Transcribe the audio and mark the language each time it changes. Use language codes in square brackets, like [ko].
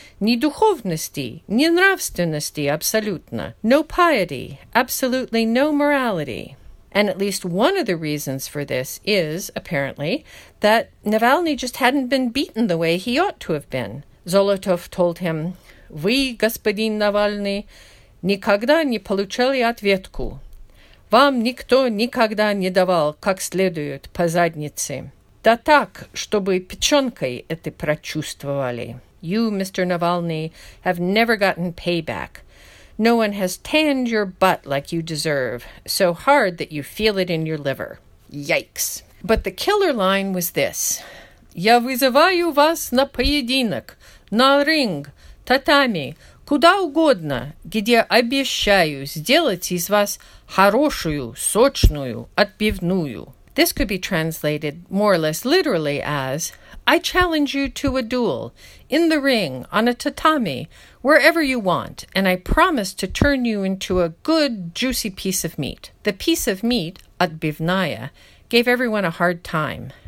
[ru] Ни духовности, ни нравственности абсолютно. [en] No piety, absolutely no morality. And at least one of the reasons for this is, apparently, that Navalny just hadn't been beaten the way he ought to have been. Zolotov told him, [ru] Вы, господин Навальный, никогда не получали ответку. Вам никто никогда не давал как следует по заднице. Да так, чтобы печенкой это прочувствовали. [en] You, Mr. Navalny, have never gotten payback. No one has tanned your butt like you deserve, so hard that you feel it in your liver. Yikes. But the killer line was this. [ru] Я вызываю вас на поединок, на ринг, татами, куда угодно, где обещаю сделать из вас хорошую, сочную, отбивную. [en] This could be translated more or less literally as, I challenge you to a duel, in the ring, on a tatami, wherever you want, and I promise to turn you into a good, juicy piece of meat. The piece of meat, отбивная, gave everyone a hard time.